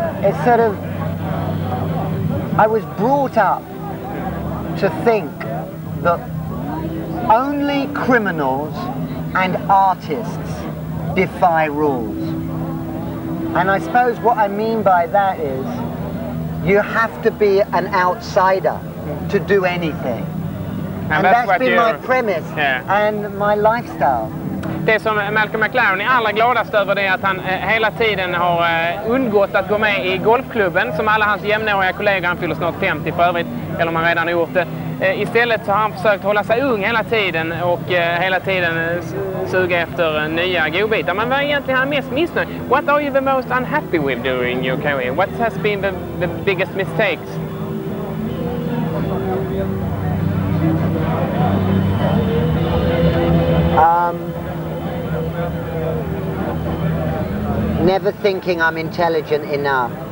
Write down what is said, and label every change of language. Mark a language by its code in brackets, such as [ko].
[en] It's sort of, I was brought up to think that only criminals and artists defy rules. And I suppose what I mean by that is you have to be an outsider to do anything. And that's been my premise, yeah. And my lifestyle. [sv] Det som Malcolm McLaren är allra gladast över det är att han hela tiden har undgått att gå med i golfklubben som alla hans jämnåriga kollegor, han fyller snart 50 för övrigt, eller om han redan har gjort det. Istället så har han försökt hålla sig ung hela tiden och hela tiden suga efter nya godbitar. Men vad är egentligen han mest missnöjd? [en] What are you the most unhappy with during your career? What has been the biggest mistakes? Mm. Never thinking I'm intelligent enough.